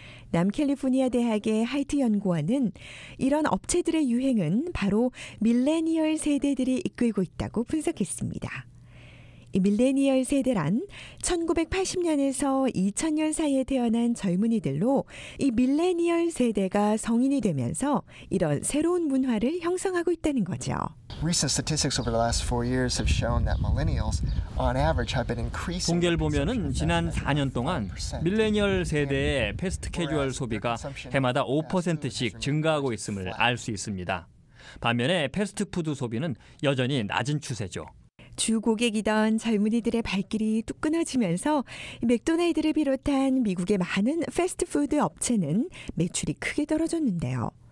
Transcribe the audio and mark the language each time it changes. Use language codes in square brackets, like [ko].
[ko] 남캘리포니아 대학의 하이트 연구원은 이런 업체들의 유행은 바로 밀레니얼 세대들이 이끌고 있다고 분석했습니다. 이 밀레니얼 세대란 1980년에서 2000년 사이에 태어난 젊은이들로 이 밀레니얼 세대가 성인이 되면서 이런 새로운 문화를 형성하고 있다는 거죠. [en] Recent statistics over the last four years have shown that millennials on average have been increasing. [ko] 통계를 보면은 지난 4년 동안 밀레니얼 세대의 패스트 캐주얼 소비가 해마다 5%씩 증가하고 있음을 알 수 있습니다. 반면에 패스트푸드 소비는 여전히 낮은 추세죠. 주 고객이던 젊은이들의 발길이 뚝 끊어지면서 맥도날드를 비롯한 미국의 많은 패스트푸드 업체는 매출이 크게 떨어졌는데요.